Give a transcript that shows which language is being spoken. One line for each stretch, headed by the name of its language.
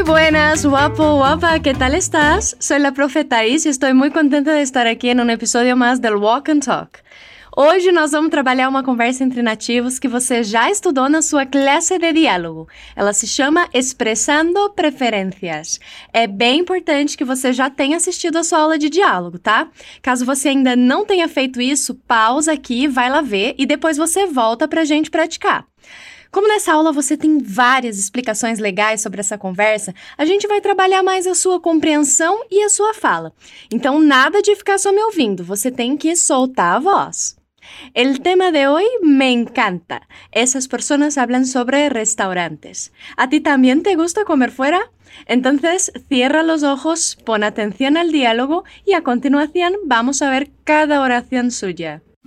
Spanish: Buenas, guapo, guapa, ¿qué tal estás? Soy la profe Thais y estoy muy contenta de estar aquí en un episodio más del Walk and Talk.
Portuguese: Hoje nós vamos trabalhar uma conversa entre nativos que você já estudou na sua classe de diálogo. Ela se chama Expressando Preferências. É bem importante que você já tenha assistido a sua aula de diálogo, tá? Caso você ainda não tenha feito isso, pausa aqui, vai lá ver e depois você volta pra gente praticar. Como nessa aula você tem várias explicações legais sobre essa conversa, a gente vai trabalhar mais a sua compreensão e a sua fala. Então, nada de ficar só me ouvindo, você tem que soltar a voz.
Spanish: El tema de hoy me encanta. Esas personas hablan sobre restaurantes. ¿A ti también te gusta comer fuera? Entonces, cierra los ojos, pon atención al diálogo y a continuación vamos a ver cada oración suya.